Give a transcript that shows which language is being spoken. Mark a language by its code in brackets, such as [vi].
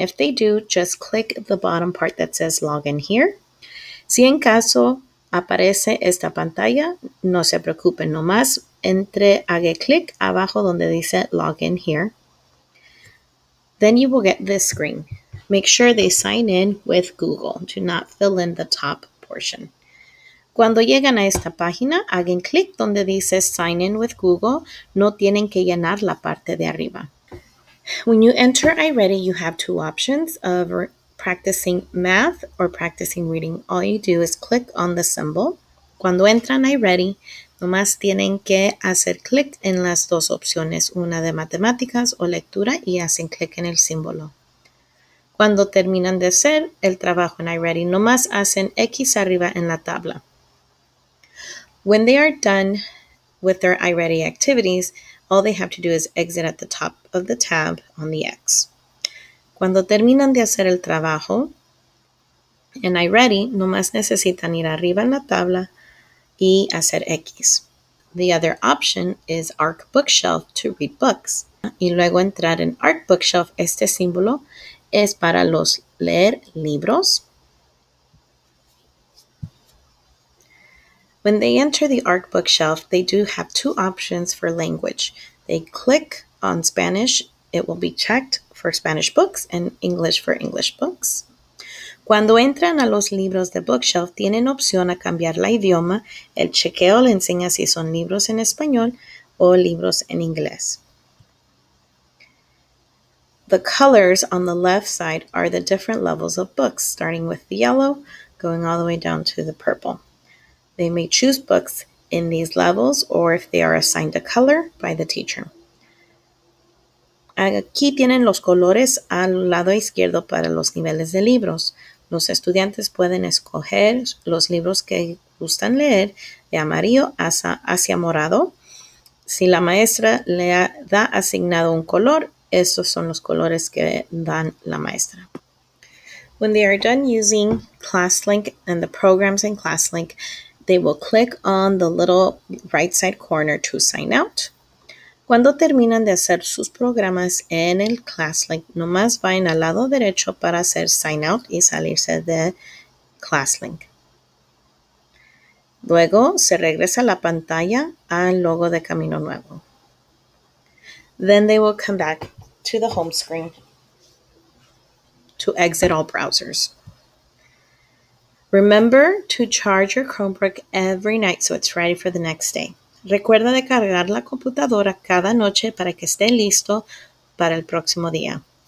[en] If they do, just click the bottom part that says Login Here. [es] Si en caso aparece esta pantalla, no se preocupen, nomás entre, haga clic abajo donde dice Login Here. [en] Then you will get this screen. Make sure they sign in with Google. Do not fill in the top portion. [es] Cuando llegan a esta página, hagan clic donde dice Sign in with Google. No tienen que llenar la parte de arriba. [en] When you enter iReady, you have two options of practicing math or practicing reading. All you do is click on the symbol. [es] Cuando entran iReady, nomás tienen que hacer clic en las dos opciones, una de matemáticas o lectura, y hacen clic en el símbolo. Cuando terminan de hacer el trabajo en iReady, nomás hacen X arriba en la tabla. [en] When they are done with their iReady activities, all they have to do is exit at the top of the tab on the X. [es] Cuando terminan de hacer el trabajo en iReady, nomás necesitan ir arriba en la tabla y hacer X. [en] The other option is Arc Bookshelf to read books. [es] Y luego entrar en Arc Bookshelf. Este símbolo es para los leer libros. [en] When they enter the Arc Bookshelf, they do have two options for language. They click on Spanish. It will be checked for Spanish books and English for English books. [es] Cuando entran a los libros de bookshelf, tienen opción a cambiar la idioma. El chequeo le enseña si son libros en español o libros en inglés. [en] The colors on the left side are the different levels of books, starting with the yellow, going all the way down to the purple. They may choose books in these levels or if they are assigned a color by the teacher. [es] Aquí tienen los colores al lado izquierdo para los niveles de libros. Los estudiantes pueden escoger los libros que gustan leer de amarillo hacia morado. Si la maestra le da asignado un color, esos son los colores que dan la maestra. [en] When they are done using ClassLink and the programs in ClassLink, they will click on the little right side corner to sign out. [es] Cuando terminan de hacer sus programas en el ClassLink, nomás vayan al lado derecho para hacer sign out y salirse de ClassLink. Luego se regresa la pantalla al logo de Camino Nuevo. [en] Then they will come back to the home screen to exit all browsers. Remember to charge your Chromebook every night so it's ready for the next day. [es] Recuerda de cargar la computadora cada noche para que esté listo para el próximo día.